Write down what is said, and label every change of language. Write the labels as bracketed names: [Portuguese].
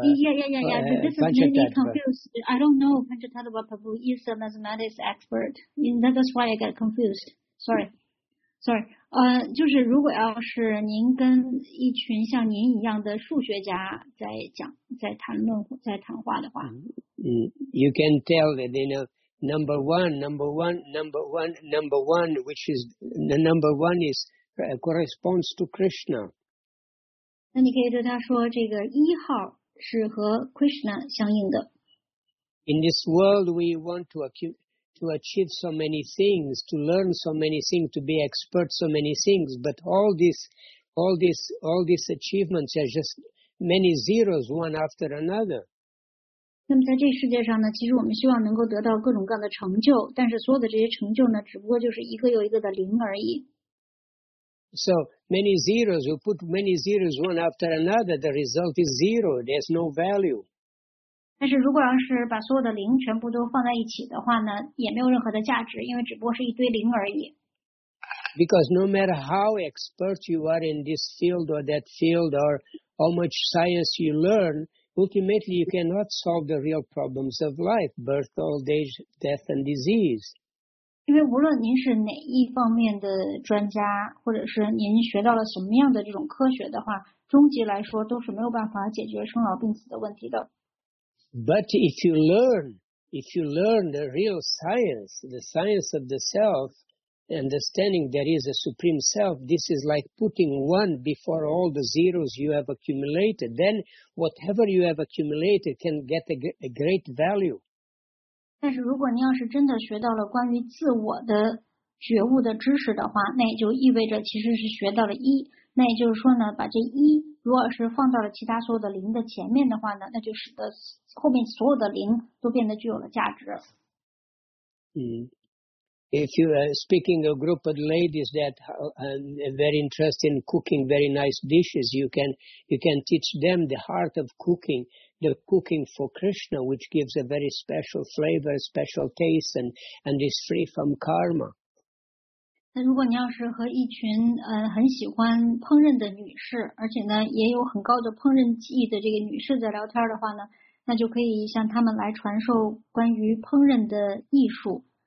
[English] This is really confused. I don't know Panchatattva Prabhu is a mathematics expert. That's why I got confused. Sorry. [Chinese] 就是如果要是您跟一群像您一样的数学家在谈话的话， [English] You can tell that they know. Number one, which is the number one is corresponds to Krishna. [Chinese] 那你可以对他说，这个一号是和 Krishna 相应的。 [English] In this world, we want to achieve so many things, to learn so many things, to be expert so many things, but all these achievements are just many zeros, one after another. [Chinese] 那么在这世界上呢，其实我们希望能够得到各种各样的成就，但是所有的这些成就呢，只不过就是一个又一个的零而已。 [English] So many zeros, you put many zeros one after another, the result is zero. There's no value. [Chinese] 但是如果要是把所有的零全部都放在一起的话呢，也没有任何的价值，因为只不过是一堆零而已。 [English] Because no matter how expert you are in this field or that field or how much science you learn, ultimately you cannot solve the real problems of life, birth, old age, death and disease. [Chinese] 因为无论您是哪一方面的专家，或者是您学到了什么样的这种科学的话，终极来说都是没有办法解决生老病死的问题的。 [English] But if you learn the real science, the science of the self,understanding there is a supreme self, this is like putting one before all the zeros you have accumulated. Then whatever you have accumulated can get a great value. [Chinese] 但是如果您要是真的学到了关于自我的觉悟的知识的话，那也就意味着其实是学到了一。那也就是说呢，把这一如果是放到了其他所有的零的前面的话呢，那就使得后面所有的零都变得具有了价值。 [English] If you are speaking a group of ladies that are very interested in cooking very nice dishes, you can teach them the heart of cooking, the cooking for Krishna, which gives a very special flavor, special taste, and is free from karma. [Chinese] 那如果你要是和一群很喜欢烹饪的女士，而且呢也有很高的烹饪技艺的这个女士在聊天的话呢，那就可以向他们来传授关于烹饪的艺术。